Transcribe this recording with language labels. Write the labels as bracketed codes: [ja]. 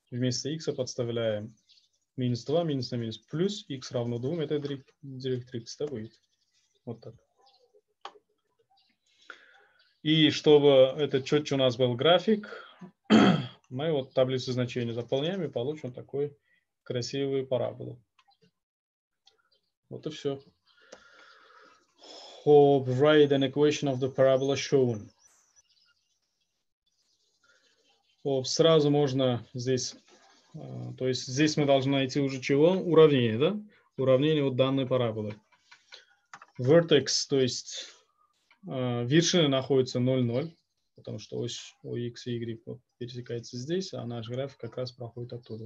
[ru] Вместо х подставляем минус 2, минус на минус, плюс х равно 2, это директрикс, да, будет. Вот так. И чтобы это четче у нас был график, мы вот таблицу значений заполняем и получим такую красивую параболу. Вот и все. [en] Hope, write an equation of the parabola shown. [ru] Оп, сразу можно здесь, то есть здесь мы должны найти уже чего? Уравнение, да? Уравнение вот данной параболы. Vertex, то есть вершина находится 0,0, потому что ось ox и y вот, пересекается здесь, а наш график как раз проходит оттуда.